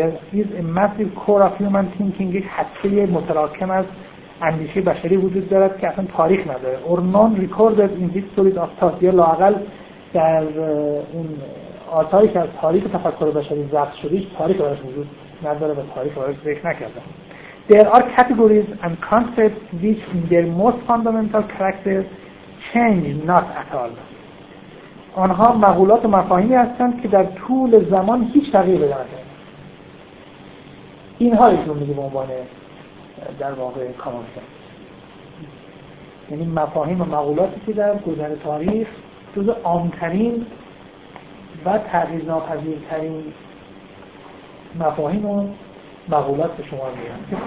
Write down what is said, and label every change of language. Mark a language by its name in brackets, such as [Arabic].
[English] there is a massive core of human thinking [Persian] یک حدثه متراکم از اندیشه بشری وجود دارد که اصلا تاریخ نداره. [English] or non recorded in history of thought [Persian] یا لااقل در اون آثاری که از تاریخ تفکر بشری ضبط شده هیچ تاریخ براش وجود نداره و تاریخ براش ذکر نکرده. [English] there are categories and concepts which in their most fundamental character change not at all. [Persian] آنها مقولات و مفاهیمی هستند که در طول زمان هیچ تغییر به نمیده. اینها رو میگه به عنوان در واقع کامانسنس، یعنی مفاهیم و مقولاتی که در گذر تاریخ جز عام‌ترین و تغییر ناپذیرترین مفاهیم و مقولات به شما میگن.